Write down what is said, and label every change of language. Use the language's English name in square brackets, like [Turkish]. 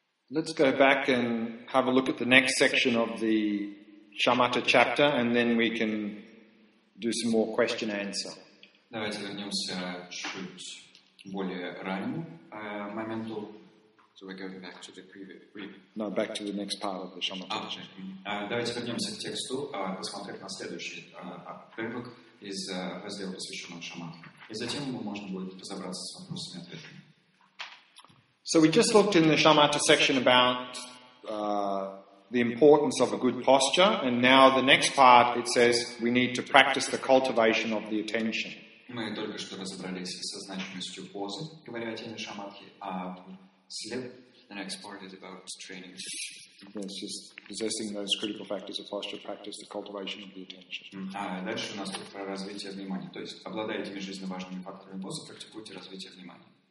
[English] Let's go back and have a look at the next section of the Shamatha chapter, and then we can do some more question and answer. [Russian] Давайте вернемся чуть более раннему моменту. [English] So we're going back to the previous. No, back to the next part of the Shamatha. [Russian] Давайте вернемся к тексту, посмотрим на следующий отрывок из раздела, посвященного Шамат. И затем мы можем будет разобраться с вопросами и ответами. [English] So we just looked in the Shamatha section about the importance of a good posture, and now the next part it says we need to practice the cultivation of the attention. [Russian] Мы только что разобрались со значимостью позы, говоря о теме шамадхи, а [English] the next part is about training. Yes, just possessing those critical factors of posture practice, the cultivation of the attention. [Russian] Дальше у нас тут про развитие внимания, то есть обладая этими жизненно важными факторами позы, практикуйте развитие внимания.